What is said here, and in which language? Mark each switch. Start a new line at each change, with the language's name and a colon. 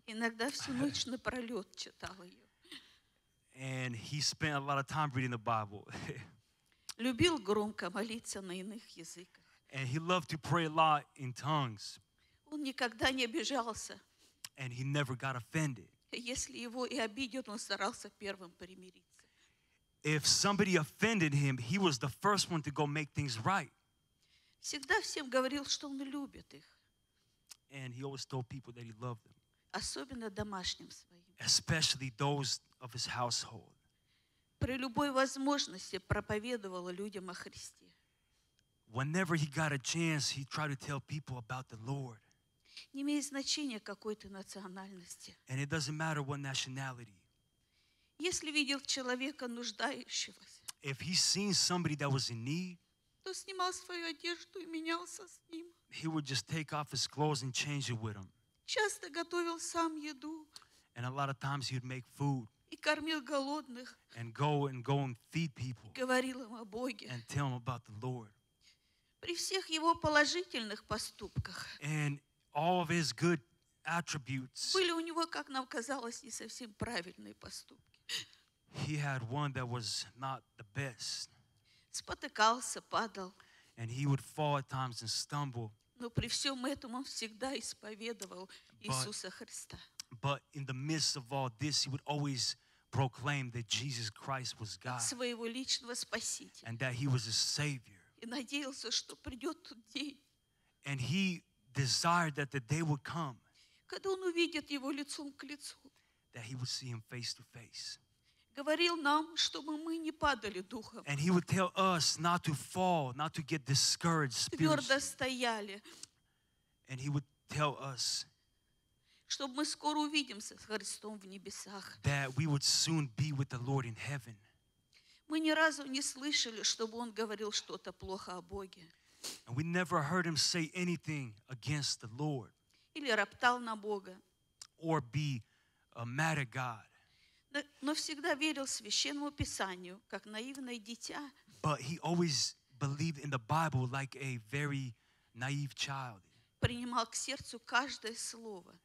Russian: Иногда всю ночь напролет читал ее.
English: And he spent a lot of time reading the Bible.
Russian: Любил громко молиться на иных языках.
English: And he loved to pray a lot in tongues.
Russian: Он никогда не обижался.
English: And he never got offended.
Russian: Если его и обидят, он старался первым примириться.
English: If somebody offended him, he was the first one to go make things right.
Russian: Всегда всем говорил, что он любит их.
English: And he always told people that he loved them.
Russian: Особенно домашним своим.
English: Especially those of his household.
Russian: При любой возможности проповедовал людям о Христе.
English: Whenever he got a chance, he tried to tell people about the Lord.
Russian: Не имеет значения какой ты национальности.
English: And it doesn't matter what nationality.
Russian: Если видел человека нуждающегося,
English: if he seen somebody that was in need,
Russian: то снимал свою одежду и менялся с ним.
English: He would just take off his clothes and change it with him.
Russian: Часто готовил сам еду.
English: And a lot of times he'd make food.
Russian: И кормил голодных.
English: And go and feed people.
Russian: Говорил им о Боге.
English: And tell them about the Lord.
Russian: При всех его положительных поступках.
English: And all of his good attributes.
Russian: Были у него, как нам казалось, не совсем правильные поступки.
English: He had one that was not the best.
Russian: Спотыкался, падал.
English: And he would fall at times and stumble.
Russian: Но при всем этом он всегда исповедовал Иисуса Христа.
English: But in the midst of all this, he would always proclaim that Jesus Christ was God.
Russian: Своего личного спасителя.
English: And that he was a savior.
Russian: И надеялся, что придет тот день.
English: And he desired that the day would come.
Russian: Когда он увидит его лицом к лицу.
English: That he would see him face to face.
Russian: Говорил нам, чтобы мы не падали духом.
English: And he would tell us not to fall, not to get discouraged spiritually.
Russian: Твердо стояли.
English: And he would tell us
Russian: чтобы мы скоро увидимся с Христом в небесах.
English: That we would soon be with the Lord in heaven.
Russian: Мы ни разу не слышали, чтобы он говорил что-то плохо о Боге.
English: And we never heard him say anything against the Lord.
Russian: Или роптал на Бога.
English: Or be mad at God.
Russian: Но всегда верил Священному Писанию, как наивное дитя.
English: But he always believed in the Bible like a very naive child.
Russian: Принимал к сердцу каждое слово.